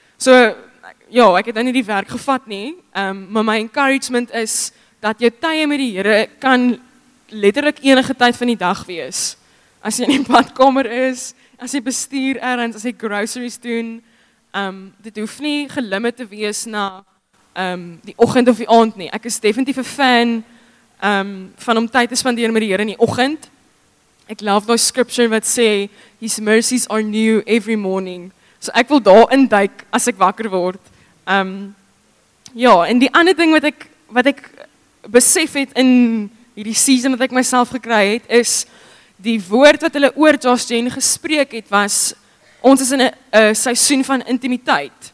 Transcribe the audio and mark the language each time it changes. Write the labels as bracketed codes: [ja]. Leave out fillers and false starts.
[af] So, ja, ek het dan nie die werk gevat nie, maar my encouragement is dat jou tye met die Here kan letterlik enige tyd van die dag wees. As jy in die badkamer is, as jy bestuur ergens, as jy groceries doen, dit hoef nie gelimiteerd te wees na die oggend of die aand nie. Ek is definitief 'n fan van om tyd te spandeer met die Here in die oggend. Ek love daai scripture wat sê, [en] His mercies are new every morning. [af] So ek wil daar induik as ek wakker word. En die ander ding wat ek besef het in hierdie season wat ek myself gekry het, is die woord wat hulle oor Josh Jane gespreek het, was, ons is in 'n seisoen van intimiteit.